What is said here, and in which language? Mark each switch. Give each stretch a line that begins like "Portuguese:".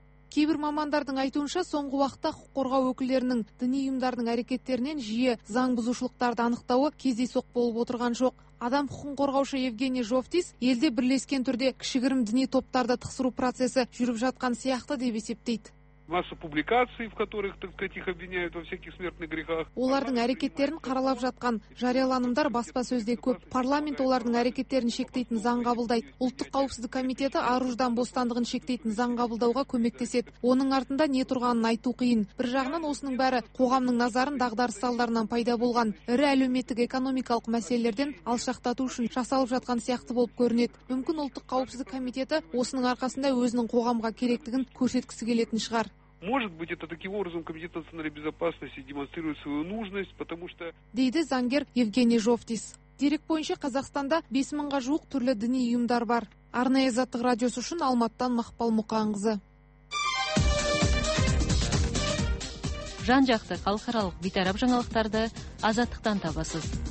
Kazakh: Кейбір мамандардың айтуынша, соңғы уақытта құқық қорғау өкілдерінің діни ұйымдардың әрекеттерінен жиі заң бұзушылықтарды анықтауы кездейсоқ болып отырған жоқ. Адам құқығын қорғаушы Евгений Жовтис елде бірлескен түрде кішігірім діни топтарды тықсыру процесі жүріп жатқан сияқты деп есептейді.
Russian: Масса публикаций, в которых этих обвиняют во всяких смертных грехах.
Kazakh: Олардың әрекеттерін қаралап жатқан жарияланымдар баспасөзде көп. Парламент олардың әрекеттерін шектейтін заң қабылдайды. Ұлттық қауіпсіздік комитеті аруждан бостандығын шектейтін заң қабылдауға көмектеседі. Оның артында не тұрғанын айту қиын. Бір жағынан осының бәрі қоғамның назарын дағдарыс салдарынан пайда болған ірі әлеуметтік экономикалық мәселелерден алшақтату үшін жасалып жатқан сияқты болып көрінеді. Мүмкін Ұлттық қауіпсіздік комитеті осының арқасында өзінің қоғамға керектігін көрсеткісі келетін шығар.
Russian: Может быть, это таким образом комитет национальной безопасности демонстрирует свою нужность, потому что
Kazakh: дейді заңгер Евгений Жовтис. Дерек бойынша Қазақстанда 5000-ға жуық түрлі діни ұйымдар бар. Арнайы заттық радиосы үшін Алматыдан Мақпал Мұқанқызы. Жан-жақты халықаралық бейтарап жаңалықтарды Азаттықтан табасыз.